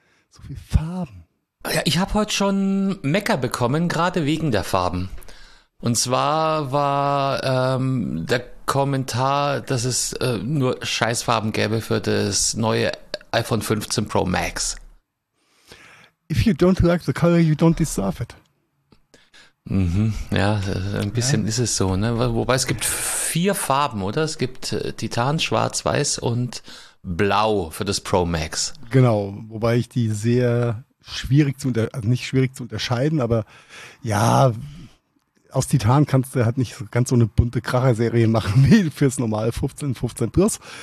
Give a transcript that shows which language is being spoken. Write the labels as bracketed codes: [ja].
[de] So viel Farben. Ja, ich habe heute schon Mecker bekommen, gerade wegen der Farben. Und zwar war der Kommentar, dass es nur Scheißfarben gäbe für das neue iPhone 15 Pro Max. [en] If you don't like the color, you don't deserve it. [de] Mhm, ja, ein bisschen ist es so, ne? Wobei es gibt vier Farben, oder? Es gibt Titan, Schwarz, Weiß und Blau für das Pro Max. Genau, wobei ich die sehr schwierig zu unterscheiden, aber ja, aus Titan kannst du halt nicht ganz so eine bunte Kracherserie machen wie fürs normale 15 Plus.